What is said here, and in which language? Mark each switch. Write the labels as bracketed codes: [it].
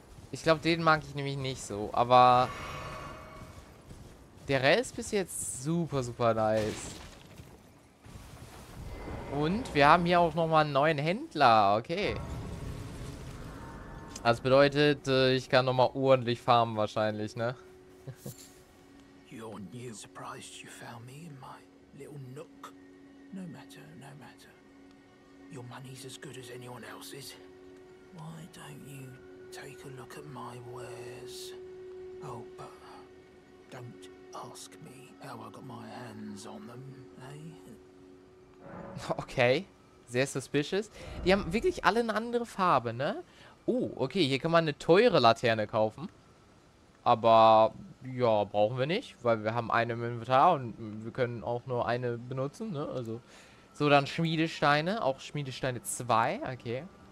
[de] Ich glaube, den mag ich nämlich nicht so. Aber der Rest ist bis jetzt super, super nice. Und wir haben hier auch nochmal einen neuen Händler. Okay. Das bedeutet, ich kann nochmal ordentlich farmen wahrscheinlich, ne? [en] You're new. Surprised you found me in my little nook. No matter, no matter. Your money's as good as anyone else's. Why don't you take a look at my wares? Oh, but don't ask me how I got my hands on them, eh? [de] Okay. Sehr suspicious. Die haben wirklich alle eine andere Farbe, ne? Oh, okay. Hier kann man eine teure Laterne kaufen. Aber, ja, brauchen wir nicht. Weil wir haben eine im Inventar und wir können auch nur eine benutzen, ne? Also... so, dann Schmiedesteine. Auch Schmiedesteine 2. Okay.